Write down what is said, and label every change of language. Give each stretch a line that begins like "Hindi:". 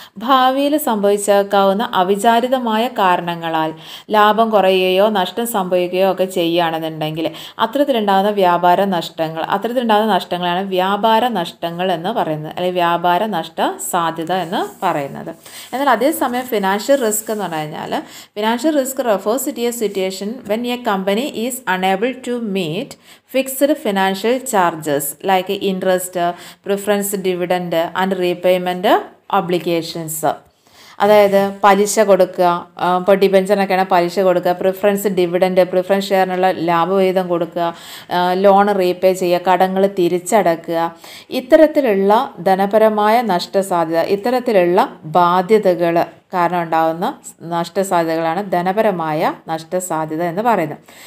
Malayalam: ഭാവിയിൽ സംഭവിച്ചേക്കാവുന്ന അവിചാരിതമായ കാരണങ്ങളാൽ ലാഭം കുറയുകയോ നഷ്ടം സംഭവിക്കുകയോ ഒക്കെ ചെയ്യുകയാണെന്നുണ്ടെങ്കിൽ അത്തരത്തിലുണ്ടാകുന്ന വ്യാപാര നഷ്ടങ്ങൾ, അത്തരത്തിലുണ്ടാകുന്ന നഷ്ടങ്ങളാണ് വ്യാപാര നഷ്ടങ്ങൾ എന്ന് പറയുന്നത്, അല്ലെങ്കിൽ വ്യാപാര നഷ്ട സാധ്യത എന്ന് പറയുന്നത്. എന്നാൽ അതേസമയം ഫിനാൻഷ്യൽ റിസ്ക് എന്ന് പറഞ്ഞു കഴിഞ്ഞാൽ
English: Financial risk refers a situation when a company is unable to meet fixed financial charges like interest, preference dividend and repayment obligations.
Malayalam: അതായത് പലിശ കൊടുക്കുക, ഇപ്പോൾ ഡിബെഞ്ചറിനൊക്കെയാണ് പലിശ കൊടുക്കുക, പ്രിഫറൻസ് ഡിവിഡൻഡ്, പ്രിഫറൻസ് ഷെയറിനുള്ള ലാഭവിഹിതം കൊടുക്കുക, ലോൺ റീപേ ചെയ്യുക, കടങ്ങൾ തിരിച്ചടക്കുക, ഇത്തരത്തിലുള്ള ധനപരമായ നഷ്ടസാധ്യത, ഇത്തരത്തിലുള്ള ബാധ്യതകൾ കാരണം ഉണ്ടാകുന്ന നഷ്ടസാധ്യതകളാണ് ധനപരമായ നഷ്ടസാധ്യത എന്ന് പറയുന്നത്.